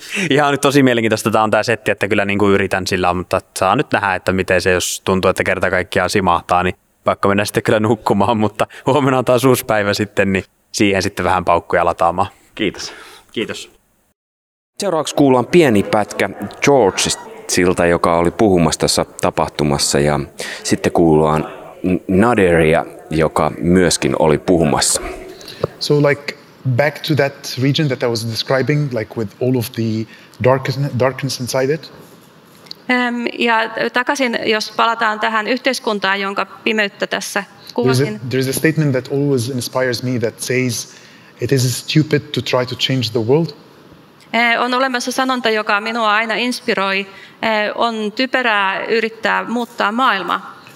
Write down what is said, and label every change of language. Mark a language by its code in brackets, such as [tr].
[fi] Ihan nyt tosi mielenkiintoista tämä on tämä setti, että kyllä niin kuin yritän sillä, mutta saa nyt nähdä, että miten se, jos tuntuu, että kerta kaikkiaan simahtaa, niin vaikka mennään sitten kyllä nukkumaan, mutta huomenna on taas uusi päivä sitten, niin siihen sitten vähän paukkuja lataamaan. Kiitos. Kiitos. Seuraavaksi kuullaan pieni pätkä Georgesilta, joka oli puhumassa tässä tapahtumassa, ja sitten kuullaan Naderia, joka myöskin oli puhumassa. [en] So like back to that region that I was describing, like with all of the darkness inside it. [fi] Ja takaisin, jos palataan tähän yhteiskuntaan, jonka pimeyttä tässä kuvasin. [en] There's a statement that always inspires me that says it is stupid to try to change the world. [fi] On olemassa sanonta, joka minua aina inspiroi. On typerää yrittää muuttaa maailmaa.